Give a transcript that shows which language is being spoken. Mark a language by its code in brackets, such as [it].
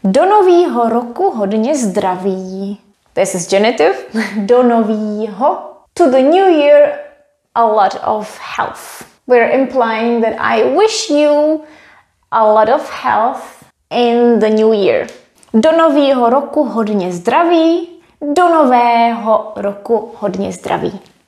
[cs] Do novýho roku hodně zdraví. [en] This is genitive. [cs] Do novýho. [en] To the new year, a lot of health. We're implying that I wish you a lot of health in the new year. [cs] Do novýho roku hodně zdraví. Do nového roku hodně zdraví.